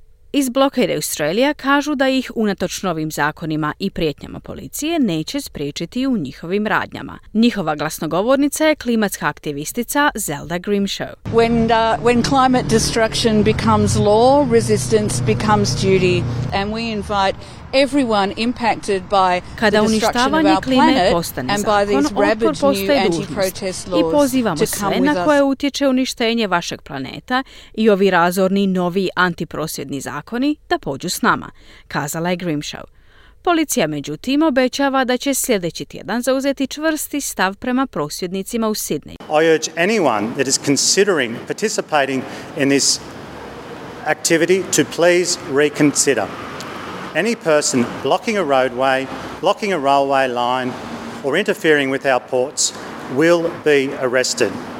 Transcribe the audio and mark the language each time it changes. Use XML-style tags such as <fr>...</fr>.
<hr>Iz Blockade Australia kažu da ih unatoč novim zakonima i prijetnjama policije neće spriječiti u njihovim radnjama. Njihova glasnogovornica je klimatska aktivistica Zelda Grimshaw.</hr> <en>When climate destruction becomes law, resistance becomes duty and we invite everyone impacted by</en> <hr>kada uništavanje klime postane zakon, otpor postaje dužnost i pozivamo sve na koje utječe uništenje vašeg planeta i ovi razorni novi antiprosvjedni zakoni da pođu s nama, kazala je Grimshaw. Policija međutim obećava da će sljedeći tjedan zauzeti čvrsti stav prema prosvjednicima u Sydney.</hr> <en>I urge anyone that is considering participating in this activity to please reconsider. Any person blocking a roadway, blocking a railway line or interfering with our ports will be arrested.</en>